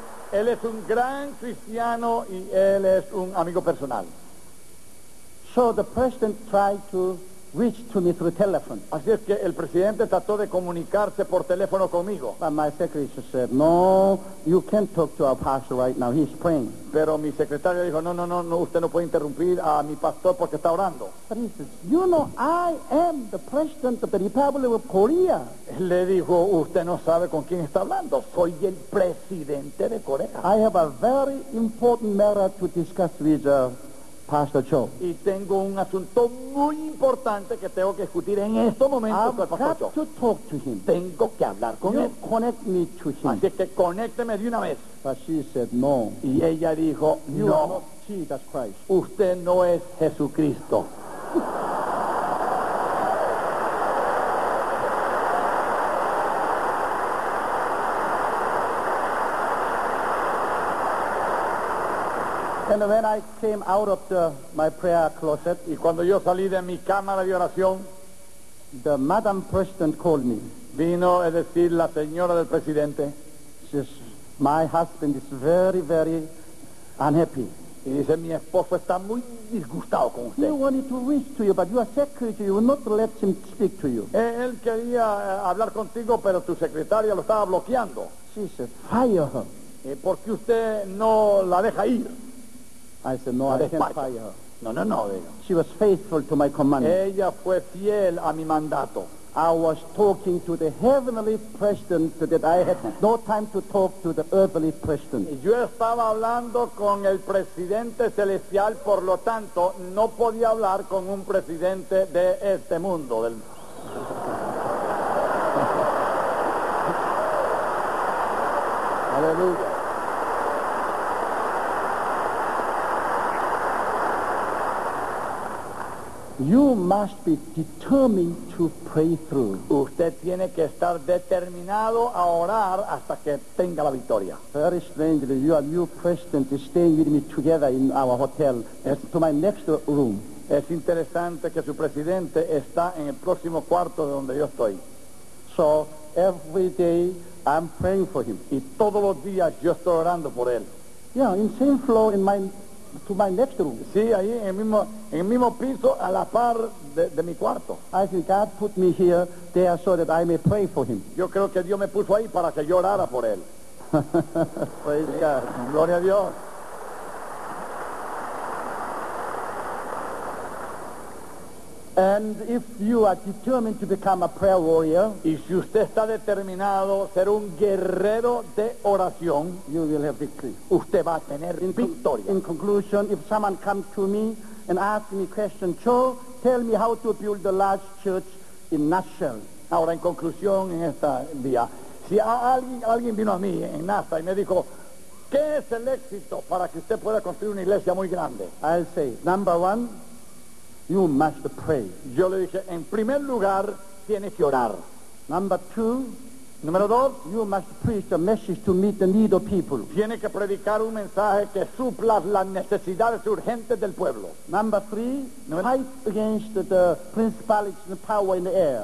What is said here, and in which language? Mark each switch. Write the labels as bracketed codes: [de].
[es] Él es un gran cristiano y él es un amigo personal. [en] So the president tried to reach to me through telephone. [es] Así es que el presidente trató de comunicarse por teléfono conmigo. [en] But my secretary said, no, you can't talk to our pastor right now, he's praying. [es] Pero mi secretario dijo, no, usted no puede interrumpir a mi pastor porque está orando. [en] But he says, you know, I am the president of the Republic of Korea. [es] Le dijo, usted no sabe con quién está hablando, soy el presidente de Corea. [en] I have a very important matter to discuss with Pastor Cho. [es] Y tengo un asunto muy importante que tengo que discutir en estos momentos con el Pastor Cho. [en] I've got to talk to him. [es] Tengo que hablar con you él. [en] Connect me to him. [es] Así que conécteme de una vez. [en] But she said no. [es] Y ella dijo, you no. [en] Are not Jesus Christ. [es] Usted no es Jesucristo. [en] And when I came out of my prayer closet, [es] y cuando yo salí de mi cámara de oración, [en] the Madam President called me. [es] Vino, es decir, la señora del presidente. [en] She says, my husband is very, very unhappy. [es] Y dice, mi esposo está muy disgustado con usted. [en] He wanted to reach to you, but your secretary will not let him speak to you. [es] Él quería hablar contigo, pero tu secretaria lo estaba bloqueando. [en] She says, fire her. [es] ¿Por qué usted no la deja ir? [en] I said, no, I can't fire her. [es] No. [en] She was faithful to my command. [es] Ella fue fiel a mi mandato. [en] I was talking to the heavenly president that I had no time to talk to the earthly president. [es] Yo estaba hablando con el presidente celestial, por lo tanto, no podía hablar con un presidente de este mundo. Aleluya. [en] You must be determined to pray through. [es] Usted tiene que estar determinado a orar hasta que tenga la victoria. [en] Very strangely, your new president is staying with me together in our hotel, to my next room. [es] Es interesante que su presidente está en el próximo cuarto de donde yo estoy. [en] So, every day I'm praying for him. [es] Y todos los días yo estoy orando por él. [en] Yeah, in same flow to my next room. [es] Sí, ahí en el mismo piso a la par de mi cuarto. [en] I think God put me here there so that I may pray for him. [es] Yo creo que Dios me puso ahí para que yo orara por él. [en] Praise God. [es] Gloria a Dios. [en] And if you are determined to become a prayer warrior, [es] y si usted está determinado ser un guerrero de oración, [en] you will have victory. [es] Usted va a tener victoria. [en] In conclusion, if someone comes to me and asks me a question, Joe, tell me how to build a large church in Nashville. [es] Ahora, en conclusión, en este día, si alguien vino a mí en NASA y me dijo, ¿qué es el éxito para que usted pueda construir una iglesia muy grande? [en] I'll say, number one, you must pray. [es] Yo le dije, en primer lugar, tienes que orar. [en] Number two. [es] Número dos. [en] You must preach a message to meet the need of people. [es] Tiene que predicar un mensaje que supla las necesidades urgentes del pueblo. [en] Number three. Fight against the principalities and power in the air.